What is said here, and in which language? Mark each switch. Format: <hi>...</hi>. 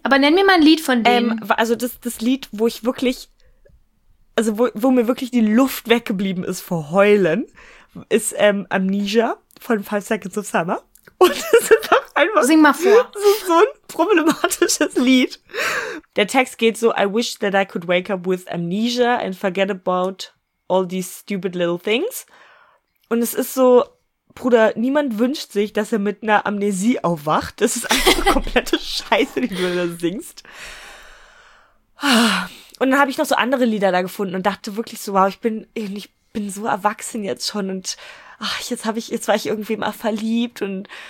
<de>aber nenn mir mal ein Lied von denen. Das Lied, wo ich wirklich, also wo mir wirklich die Luft weggeblieben ist vor Heulen, ist Amnesia von Five Seconds of Summer. Und es ist doch einfach, sing mal vor, so ein problematisches Lied. Der Text geht so,</de> <en>I wish that I could wake up with amnesia and forget about all these stupid little things.</en> <de>Und es ist so, Bruder, niemand wünscht sich, dass er mit einer Amnesie aufwacht. Das ist einfach komplette Scheiße, die du da singst. Und dann habe ich noch so andere Lieder da gefunden und dachte wirklich so, wow, ich bin so erwachsen jetzt schon und jetzt war ich irgendwie mal verliebt und</de>